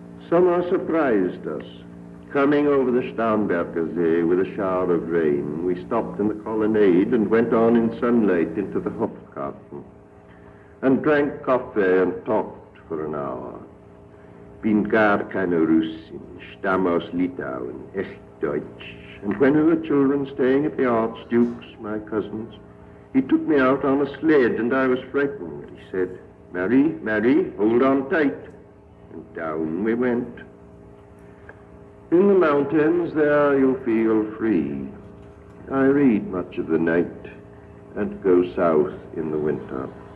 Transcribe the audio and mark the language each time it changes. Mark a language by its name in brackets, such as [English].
[English] Summer surprised us. Coming over the Starnberger See with a shower of rain, we stopped in the colonnade and went on in sunlight into the Hofgarten and drank coffee and talked for an hour. [German] Bin gar keine Russin, stamm aus Litauen, echt Deutsch. [English] And when we were children staying at the Archduke's, my cousin's, he took me out on a sled and I was frightened. He said, Marie, hold on tight. And down we went. In the mountains, there you'll feel free. I read much of the night and go south in the winter.